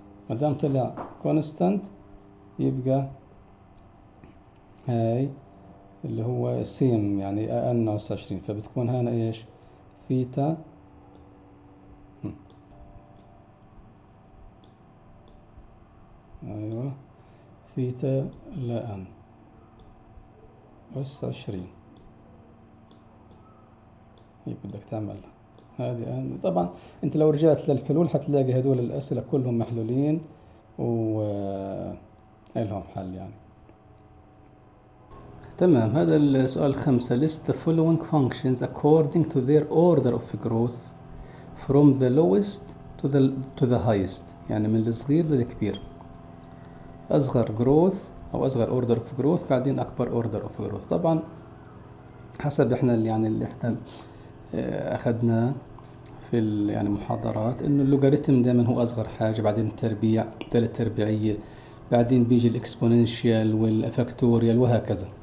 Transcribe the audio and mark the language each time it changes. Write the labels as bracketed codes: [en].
[ar] ما دام طلع كونستانت يبقى هاي اللي هو سيم، يعني ان اس 20، فبتكون هنا ايش؟ ثيتا ايوه ثيتا لان اس 20. هيك بدك تعمل هذه. طبعا انت لو رجعت للحلول حتلاقي هذول الاسئله كلهم محلولين و لهم حل يعني. تمام، هذا السؤال 5. [en] List the following functions according to their order of growth from the lowest to the highest. [ar] يعني من الصغير للكبير، أصغر growth أو أصغر order of growth، بعدين أكبر order of growth. طبعا حسب إحنا اللي يعني اللي إحنا أخذناه في يعني محاضرات، انه اللوغاريتم دائما هو اصغر حاجه، بعدين التربيع، الداله التربيعيه، بعدين بيجي الاكسبوننشال والفاكتوريال وهكذا.